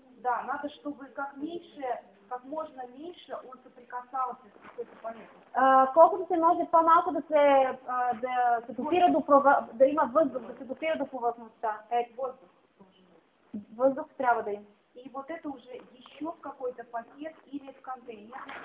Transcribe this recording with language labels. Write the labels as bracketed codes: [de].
[ru] Да, надо, чтобы как можно меньше он соприкасался с какой-то поверхностью. [bg] Колкото се може по-малко да се, да се допира до повърхността, да има въздух, да се допира до повърхността. Ето, въздух. Въздух трябва да има. [ru] И вот это уже еще в какой-то пакет или в контейнер.